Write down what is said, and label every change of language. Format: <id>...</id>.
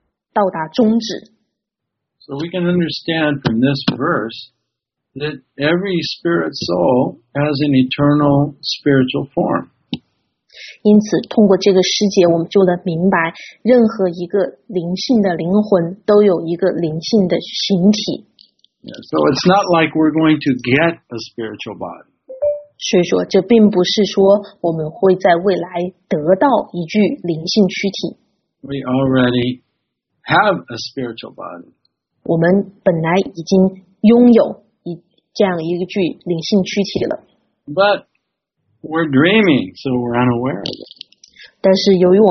<zh>所以说，任何一个有开始的事物，那就必然会到达终止。</zh> <en>So we can understand from this verse. That every spirit soul has an eternal spiritual form.</en> <zh>因此，通过这个世界，我们就能明白，任何一个灵性的灵魂都有一个灵性的形体。</zh> <en>So it's not like we're going to get a spiritual body.</en> <zh>所以说，这并不是说我们会在未来得到一具灵性躯体。</zh> <en>We already have a spiritual body.</en> <zh>我们本来已经拥有。这样一个具灵性躯体了。</zh> <en>But we're dreaming, so we're unaware of it.</en>